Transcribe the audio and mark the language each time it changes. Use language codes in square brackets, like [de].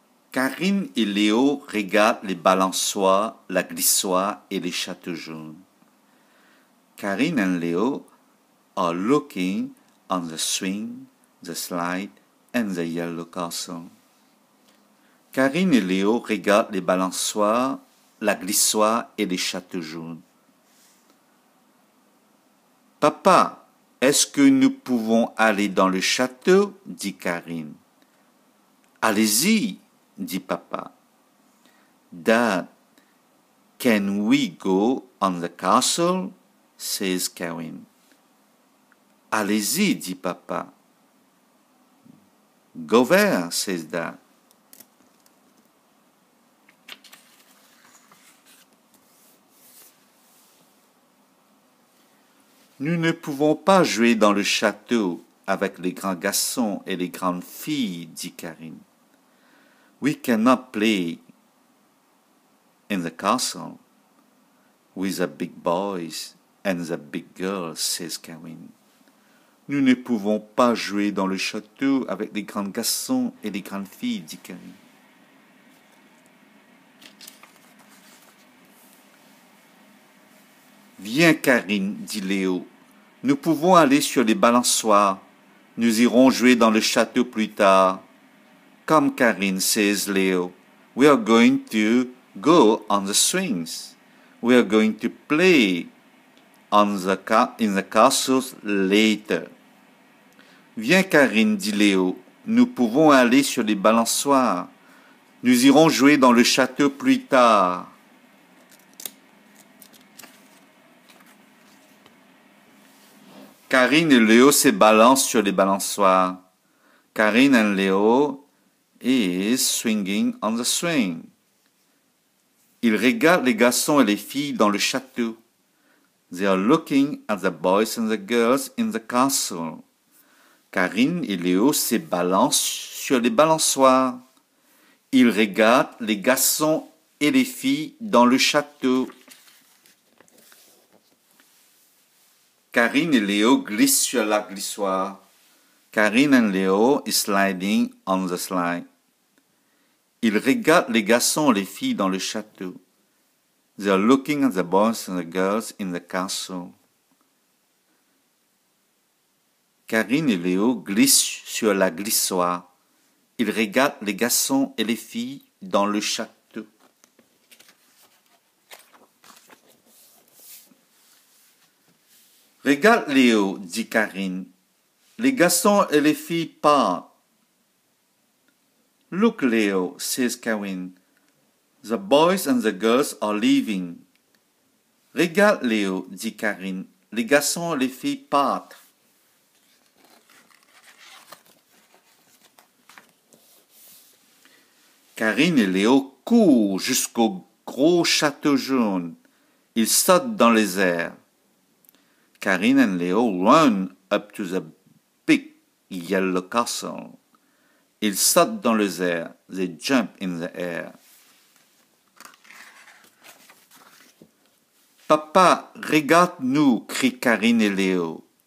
[fr] Karine et Léo regardent les balançoires, la glissoire et les châteaux jaunes. [en] Karine et Léo are looking on the swing, the slide, and the yellow castle. [fr] Karine et Léo regardent les balançoires, la glissoire et les châteaux jaunes. Papa, est-ce que nous pouvons aller dans le château? Dit Karine. Allez-y, dit papa. [en] Dad, can we go on the castle? Says Karine. [fr] Allez-y, dit papa. [en] Go there, says Dad. [fr] Nous ne pouvons pas jouer dans le château avec les grands garçons et les grandes filles, dit Karine. [en] We cannot play in the castle with the big boys and the big girls, says Karine. [fr] Nous ne pouvons pas jouer dans le château avec les grands garçons et les grandes filles, dit Karine. Viens, Karine, dit Léo. Nous pouvons aller sur les balançoires. Nous irons jouer dans le château plus tard. [en] Come, Karine, says Léo. We are going to go on the swings. We are going to play in the castles later. [fr] Viens, Karine, dit Léo. Nous pouvons aller sur les balançoires. Nous irons jouer dans le château plus tard. Karine et Léo se balancent sur les balançoires. [en] Karine et Léo is swinging on the swing. [fr] Ils regardent les garçons et les filles dans le château. [en] They are looking at the boys and the girls in the castle. [fr] Karine et Léo se balancent sur les balançoires. Ils regardent les garçons et les filles dans le château. Karine et Léo glissent sur la glissoire. [en] Karine et Léo is sliding on the slide. [fr] Ils regardent les garçons et les filles dans le château. [en] They are looking at the boys and the girls in the castle. [fr] Karine et Léo glissent sur la glissoire. Ils regardent les garçons et les filles dans le château. Regarde, Léo, dit Karine. Les garçons et les filles partent. [en] Look, Léo, says Karine. The boys and the girls are leaving. [fr] Regarde, Léo, dit Karine. Les garçons et les filles partent. Karine et Léo courent jusqu'au gros château jaune. Ils sautent dans les airs. [en] Karine and Léo run up to the big yellow castle. [fr] Ils sautent dans les airs. [en] They jump in the air. [fr] Papa, regarde-nous, crient Karine et Léo.